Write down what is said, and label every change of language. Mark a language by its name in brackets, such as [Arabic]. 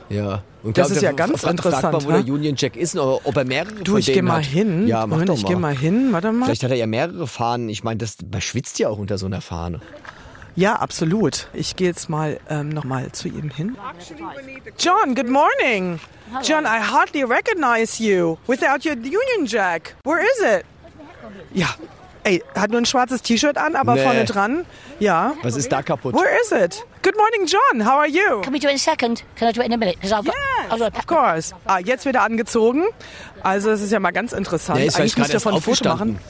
[German] Ja. Und das ist ja ganz interessant. Frag mal, wo der Union Jack ist oder ob er mehrere von denen hat. Du, ich gehe mal hin. Ja, mach doch mal. Ich gehe mal hin, warte mal. Vielleicht hat er ja mehrere Fahnen. Ich meine, man schwitzt ja auch unter so einer Fahne. Ja, absolut. Ich gehe jetzt mal nochmal zu ihm hin. [English] John, good morning. Hello. John, I hardly recognize you without your Union Jack. Where is it? [German] Ja, ey, hat nur ein schwarzes T-Shirt an, aber vorne dran. Ja. Was ist da kaputt? [English] Where is it? Good morning, John. How are you? Can we do it in a second? Can I do it in a minute? Because of course. [German] Ah, jetzt wird er angezogen. Also es ist ja mal ganz interessant. Nee, eigentlich müsste er von Foto machen.